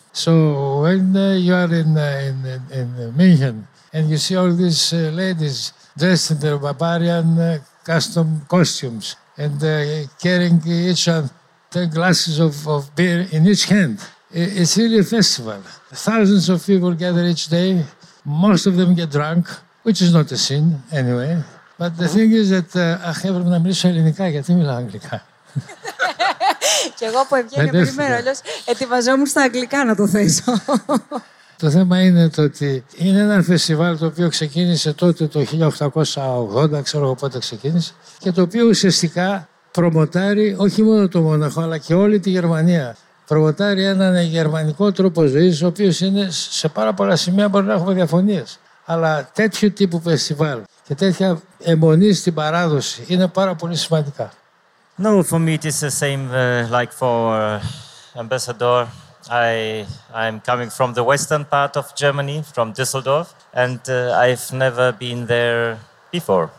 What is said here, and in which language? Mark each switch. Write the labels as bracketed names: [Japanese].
[English] So when you are in München and you see all these ladies dressed in their barbarian custom costumes and carrying each 10 glasses of beer in each hand, it's really a festival. Thousands of people gather each day. Most of them get drunk, which is not a sin anyway. But the thing is that I have to speak Greek, why do I speak Greek? [Greek] Και εγώ από ευγένεια περιμένω, αλλιώς ετοιμαζόμουν στα αγγλικά να το θέσω. Το θέμα είναι το ότι είναι ένα φεστιβάλ το οποίο ξεκίνησε τότε το 1880, ξέρω εγώ πότε ξεκίνησε, και το οποίο ουσιαστικά προμοτάρει όχι μόνο το Μόναχο αλλά και όλη τη Γερμανία. Προμοτάρει έναν γερμανικό τρόπο ζωής, ο οποίος είναι σε πάρα πολλά σημεία μπορεί να έχουμε διαφωνίες. Αλλά τέτοιου τύπου φεστιβάλ και τέτοια αιμονή στην παράδοση είναι πάρα πολύ σημαντικά. [English] No, for me it is the same like for Ambassador. I'm coming from the western part of Germany, from Düsseldorf, and I've never been there before.